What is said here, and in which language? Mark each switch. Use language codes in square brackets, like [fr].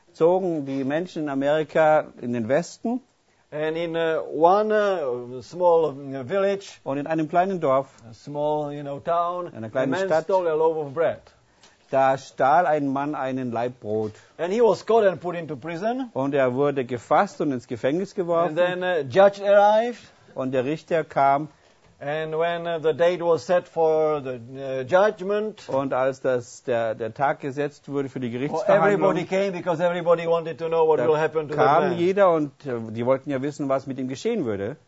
[de] Zogen die Menschen in Amerika in den Westen. [en] And in one small village, [de] und in einem kleinen Dorf, [en] a small, you know, town, [de] in einer kleinen Stadt, [en] a man stole a loaf of bread. [de] Da stahl ein Mann einen Laib Brot. [en] And he was caught and put into prison. [de] Und er wurde gefasst und ins Gefängnis geworfen. [en] And then judge arrived. [de] Und der Richter kam. [en] And when the date was set for the judgment, [de] und als das der Tag gesetzt wurde für die Gerichtsverhandlung, [en] everybody came because everybody wanted to know what will happen to the man. [de] Kam jeder und die wollten ja wissen, was mit ihm geschehen würde.